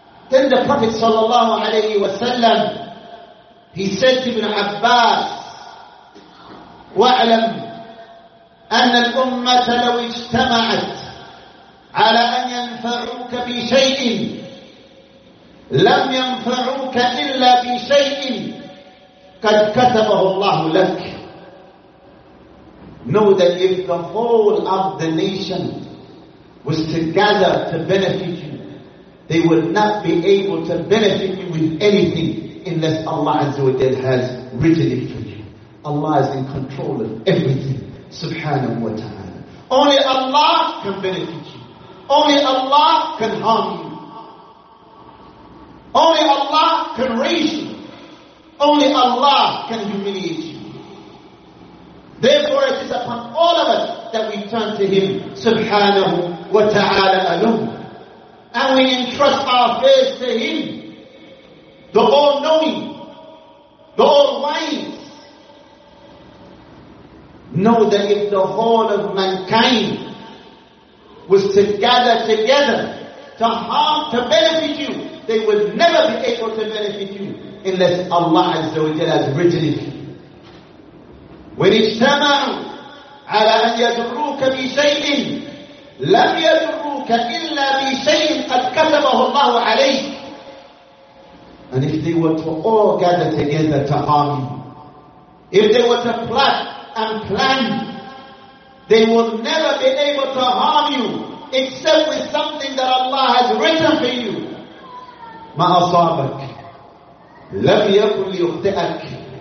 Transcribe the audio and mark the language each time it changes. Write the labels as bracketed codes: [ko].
[en] Then the Prophet sallallahu alayhi wa sallam, he said to Ibn Abbas, [ar] وَأَعْلَمْ أَنَّ الْأُمَّةَ لَوْ اجْتَمَعَتْ عَلَىٰ أَنْ يَنْفَعُوكَ بِشَيْءٍ لَمْ يَنْفَعُوكَ إِلَّا بِشَيْءٍ قَدْ كَتَبَهُ اللَّهُ لَكَ. [en] Know that if the whole of the nation was to gather to benefit you, they would not be able to benefit you with anything unless Allah Azza wa Jalla has written it for you. Allah is in control of everything. Subhanahu wa ta'ala. Only Allah can benefit you. Only Allah can harm you. Only Allah can raise you. Only Allah can humiliate you. Therefore, it is upon all of us that we turn to Him, Subhanahu wa ta'ala alone. And we entrust our affairs to Him, the all-knowing, the all-wise. Know that if the whole of mankind was to gather together to harm, to benefit you, they would never be able to benefit you unless Allah Azza wa Jalla has written it. [ar] When اجتمعوا على أن يدروك بشيء لم يدروك إلا بشيء قد كتبه الله عليه. [en] And if they were to all gather together to harm you, if they were to plot and plan, they will never be able to harm you except with something that Allah has written for you. [ar] ما أصابك لم يكن ليخطئك.